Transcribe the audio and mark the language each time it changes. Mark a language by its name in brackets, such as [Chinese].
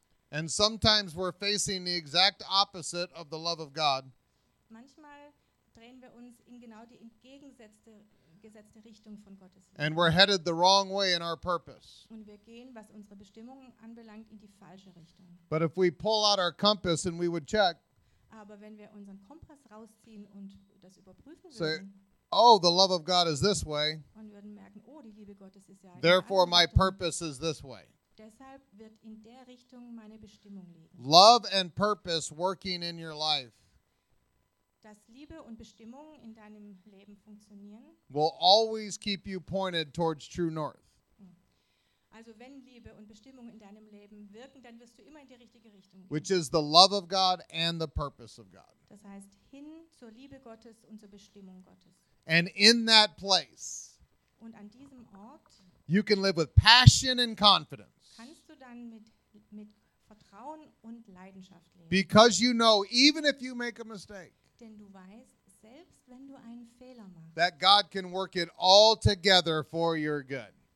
[English] And sometimes we're facing the exact opposite of the love of God. [German] Manchmal drehen wir uns in genau die entgegengesetzte Richtung von Gottes Leben. [English] And we're headed the wrong way in our purpose. [German] Und wir gehen, was unsere Bestimmung anbelangt, in die falsche Richtung. [English] But if we pull out our compass and we would check, [German] aber wenn wir unseren Kompass rausziehen und das überprüfen [English] say, [German] würden, [English] oh, the love of God is this way. [German] Und würden merken, oh, die Liebe Gottes ist ja [English] in Therefore, my purpose is this way. [German] Deshalb wird in der Richtung meine Bestimmung liegen. [English] Love and purpose working in your life. [German] Dass Liebe und Bestimmung in deinem Leben funktionieren. [English] Will always keep you pointed towards true north. [German] Also wenn Liebe und Bestimmung in deinem Leben wirken, dann wirst du immer in die richtige Richtung gehen. [English] Which is the love of God and the purpose of God. [German] Das heißt hin zur Liebe Gottes und zur Bestimmung Gottes. [English] And in that place, [German] und an diesem Ort, [English] you can live with passion and confidence. [German] Kannst du dann mit Vertrauen und Leidenschaft leben. [English] Because you know, even if you make a mistake, [German] denn du weißt, selbst wenn du einen Fehler machst, [English] that God can work it all together for your good.